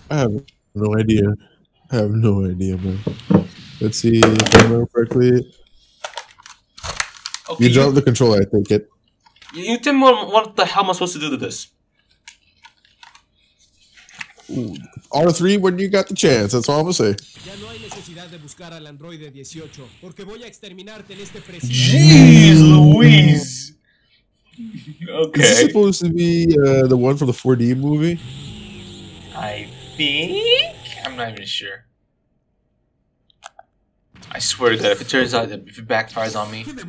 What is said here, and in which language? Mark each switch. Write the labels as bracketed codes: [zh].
[en] I have no idea. I have no idea, man. Let's see if I remember correctly. Okay, you dropped the controller, I take it. You tell me what the hell am I supposed to do to this? R3 when you got the chance, that's all I'm gonna say. [es] Ya no hay necesidad de buscar al androide 18, porque voy a exterminarte en este preciso. [en] Jeez Louise! Okay. Is this supposed to be the one from the 4D movie? I think? I'm not even sure. I swear to God, if it turns out, if it backfires on me.